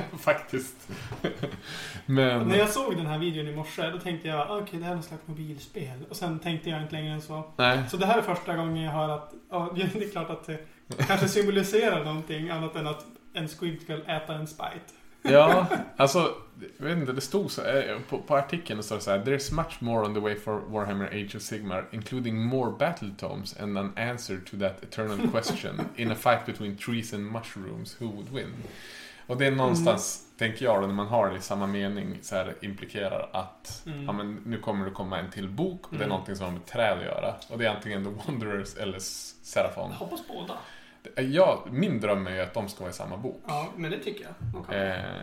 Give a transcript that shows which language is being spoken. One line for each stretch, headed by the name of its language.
Swedish: Faktiskt. Men... När jag såg den här videon i morse, då tänkte jag, okej, det här är något slags mobilspel. Och sen tänkte jag inte längre än så. Nej. Så det här är första gången jag hör att, ja, det är klart att det kanske symboliserar någonting annat än att en squid ska äta en spite. Ja, alltså, jag vet inte, det stod så på artikeln, så det så här,
English: there's much more on the way for Warhammer Age of Sigmar, including more battle tomes and an answer to that eternal question in a fight between trees and mushrooms, who would win?
Swedish: Och det är någonstans, tänker jag, när man har det i samma mening, så här, implikerar att ja, men nu kommer det komma en till bok och det är någonting som har med träd att göra, och det är antingen The Wanderers eller Seraphon. Jag hoppas båda. Ja, min dröm är ju att de ska vara i samma bok. Ja, men det tycker jag. Okay.